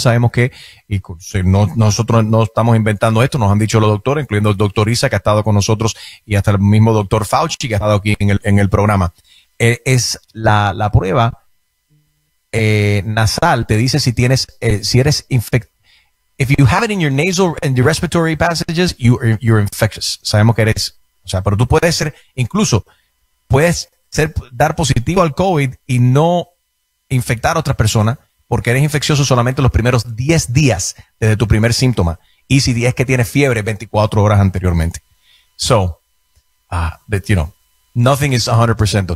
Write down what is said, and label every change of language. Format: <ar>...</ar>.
<es>Sabemos que nosotros no estamos inventando esto, nos han dicho los doctores, incluyendo el doctor Isa, que ha estado con nosotros, y hasta el mismo doctor Fauci, que ha estado aquí en el programa. Es la prueba nasal, te dice si tienes, si eres infectado.</es> <en>If you have it in your nasal and your respiratory passages, you're infectious.</en> <es>Sabemos que eres. O sea, pero tú puedes ser, incluso puedes ser, dar positivo al COVID y no infectar a otra persona porque eres infeccioso solamente los primeros 10 días desde tu primer síntoma. Y si es que tienes fiebre 24 horas anteriormente.</es> <en>So, that, you know, nothing is 100%.</en>